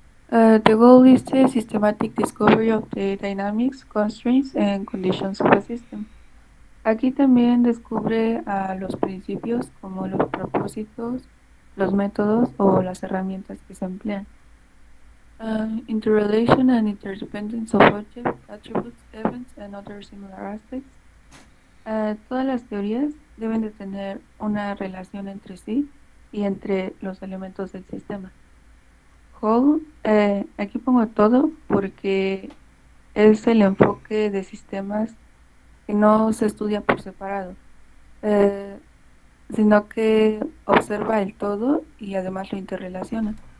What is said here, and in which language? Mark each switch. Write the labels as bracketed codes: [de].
[en] The goal is the systematic discovery of the dynamics, constraints and conditions of a system. [es] Aquí también descubre a los principios como los propósitos, los métodos o las herramientas que se emplean. [en] Interrelation and interdependence of objects, attributes, events and other similar aspects. [es] Todas las teorías deben de tener una relación entre sí y entre los elementos del sistema. Whole, aquí pongo todo porque es el enfoque de sistemas que no se estudia por separado, sino que observa el todo y además lo interrelaciona.